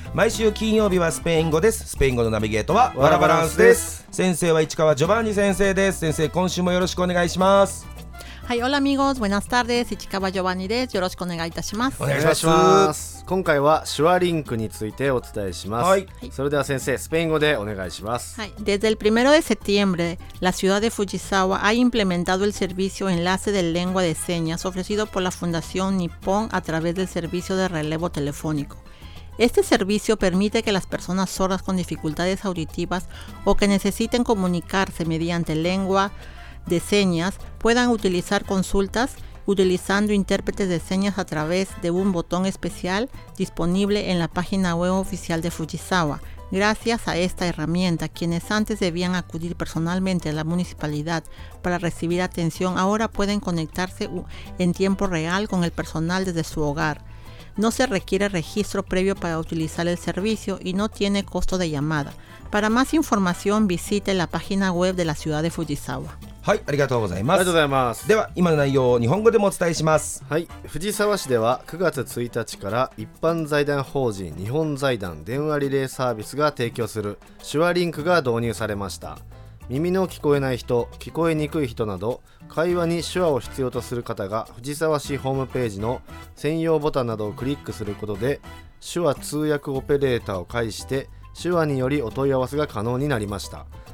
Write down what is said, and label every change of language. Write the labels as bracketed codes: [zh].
[ja] 毎週金曜日はスペイン語です。スペイン語のナビゲートはワラバランスです。先生は市川ジョバンニ先生です。先生、今週もよろしくお願いします。はい、 [es] オラアミゴス、ブエナスタルデス、 [ja] 市川ジョバンニです。よろしくお願いいたします。お願いします。今回は手話リンクについてお伝えします、はい、それでは先生、スペイン語でお願いします。 [es] はい、desde el primero de septiembre la ciudad de Fujisawa ha implementado el servicio enlace de lengua de señas ofrecido por la fundación Nippon a través del servicio de relevo telefónico. Este servicio permite que las personas sordas con dificultades auditivas o que necesiten comunicarse mediante lengua de señas puedan utilizar consultas utilizando intérpretes de señas a través de un botón especial disponible en la página web oficial de Fujisawa. Gracias a esta herramienta, quienes antes debían acudir personalmente a la municipalidad para recibir atención, ahora pueden conectarse en tiempo real con el personal desde su hogar. No se requiere registro previo para utilizar el servicio y no tiene costo de llamada. Para más información, visite la página web de la ciudad de Fujisawa. [ja] はい、ありがとうございます。ありがとうございます。では今の内容を日本語でもお伝えします。はい、藤沢市では9月1日から一般財団法人日本財団電話リレーサービスが提供する手話リンクが導入されました。耳の聞こえない人、聞こえにくい人など会話に手話を必要とする方が藤沢市ホームページの専用ボタンなどをクリックすることで手話通訳オペレーターを介して手話によりお問い合わせが可能になりました。